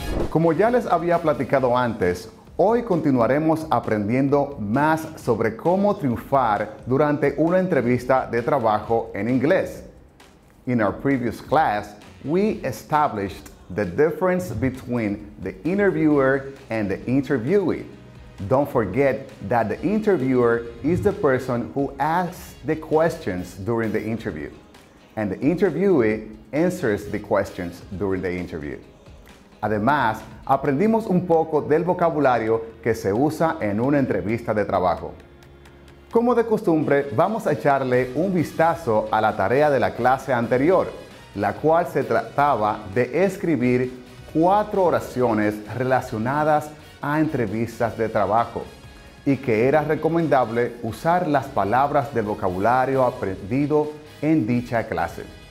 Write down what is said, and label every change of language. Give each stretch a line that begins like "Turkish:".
Spanish: Como ya les había platicado antes, hoy continuaremos aprendiendo más sobre cómo triunfar durante una entrevista de trabajo en inglés.
English: In our previous class, we established the difference between the interviewer and the interviewee. Don't forget that the interviewer is the person who asks the questions during the interview, and the interviewee answers the questions during the interview.
Spanish: Además, aprendimos un poco del vocabulario que se usa en una entrevista de trabajo. Como de costumbre, vamos a echarle un vistazo a la tarea de la clase anterior, la cual se trataba de escribir 4 oraciones relacionadas a entrevistas de trabajo y que era recomendable usar las palabras del vocabulario aprendido en dicha clase.